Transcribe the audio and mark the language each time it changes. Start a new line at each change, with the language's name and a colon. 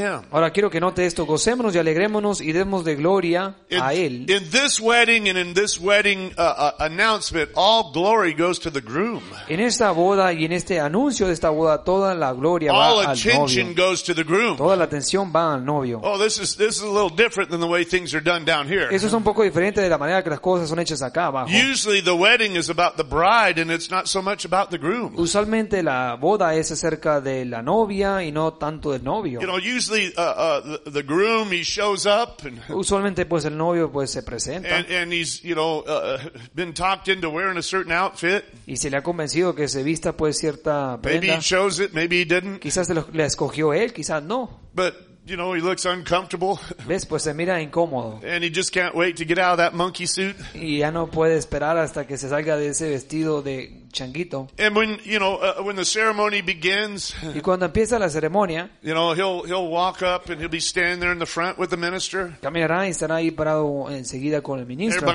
Spanish: Ahora quiero que note esto, gocémonos y alegrémonos y demos de gloria a él.
English: In this wedding and in this wedding announcement, all glory goes to the groom.
Spanish: En esta boda y en este anuncio de esta boda, toda la gloria va al novio. Toda la atención va al novio.
English: Oh, this is a little different than the way things are done down here.
Spanish: Eso es un poco diferente de la manera que las cosas son hechas acá abajo.
English: Usually the wedding is about the bride and it's not so much about the groom.
Spanish: Usualmente la boda es acerca de la novia y no tanto del novio.
English: You know, usually the groom, he shows up and
Spanish: usualmente pues el novio pues se presenta.
English: And he's, you know, been talked into wearing a certain outfit.
Spanish: Y se le ha convencido que se vista pues cierta prenda.
English: Maybe he chose it, maybe he didn't.
Spanish: Quizás la escogió él, quizás no.
English: But you know, he looks uncomfortable.
Spanish: ¿Ves? Pues se mira incómodo.
English: And he just can't wait to get out of that monkey suit.
Spanish: Y ya no puede esperar hasta que se salga de ese vestido de changuito.
English: And when, you know, when the ceremony begins,
Spanish: y cuando empieza la ceremonia,
English: you know, he'll walk up and he'll be standing there in the front with the minister.
Spanish: Caminará y estará ahí parado enseguida con el ministro.